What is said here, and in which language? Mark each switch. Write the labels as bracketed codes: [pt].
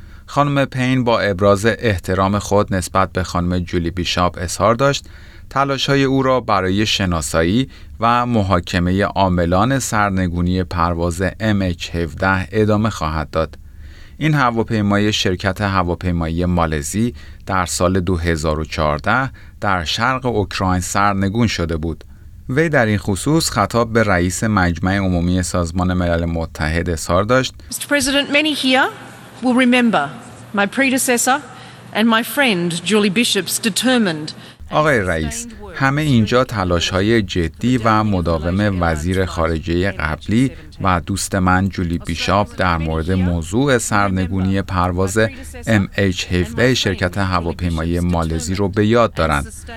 [fa] خانم پین با ابراز احترام خود نسبت به خانم جولی بیشاپ اظهار داشت تلاش‌های او را برای شناسایی و محاکمه عاملان سرنگونی پرواز MH17 ادامه خواهد داد. این هواپیمای شرکت هواپیمایی مالزی در سال 2014 در شرق اوکراین سرنگون شده بود. وی در این خصوص خطاب به رئیس مجمع عمومی سازمان ملل متحد اظهار داشت. [en] Mr. President, many here will remember my predecessor and my friend Julie Bishop's determined. [fa] آقای رئیس، همه اینجا تلاش‌های جدی و مداوم وزیر خارجه قبلی و دوست من جولی بیشاپ در مورد موضوع سرنگونی پرواز MH17 شرکت هواپیمایی مالزی رو به یاد دارند.